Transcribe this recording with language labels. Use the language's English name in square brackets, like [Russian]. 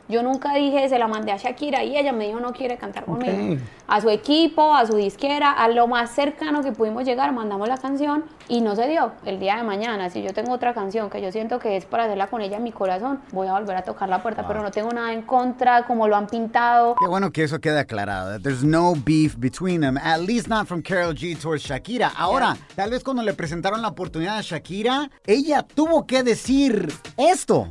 [Spanish] Yo nunca dije, se la mandé a Shakira y ella me dijo, no quiere cantar conmigo. Okay. A su equipo, a su disquera, a lo más cercano que pudimos llegar, mandamos la canción y no se dio. El día de mañana, si yo tengo otra canción que yo siento que es para hacerla con ella en mi corazón, voy a volver a tocar la puerta. Wow. Pero no tengo nada en contra, como lo han pintado. Qué bueno que eso quede aclarado. [English] That there's no beef between them. At least not from Karol G towards Shakira. [Spanish] Ahora, yeah, tal vez cuando le presentaron la oportunidad a Shakira, ella tuvo que decir esto.